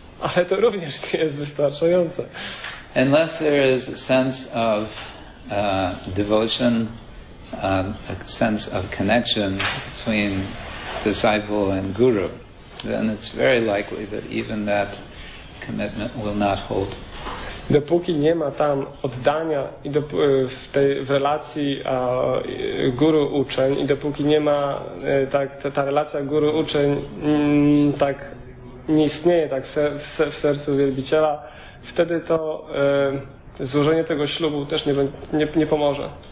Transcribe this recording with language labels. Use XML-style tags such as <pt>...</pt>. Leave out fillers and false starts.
<pl>Ale to również nie jest wystarczające.</pl> <en>Unless there is a sense of devotion, a sense of connection between disciple and guru, then it's very likely that even that commitment will not hold.</en> <pl>Dopóki nie ma tam oddania i w relacji guru-uczeń i dopóki nie ma ta relacja guru-uczeń tak nie istnieje tak w sercu wielbiciela, wtedy to złożenie tego ślubu też nie pomoże.</pl>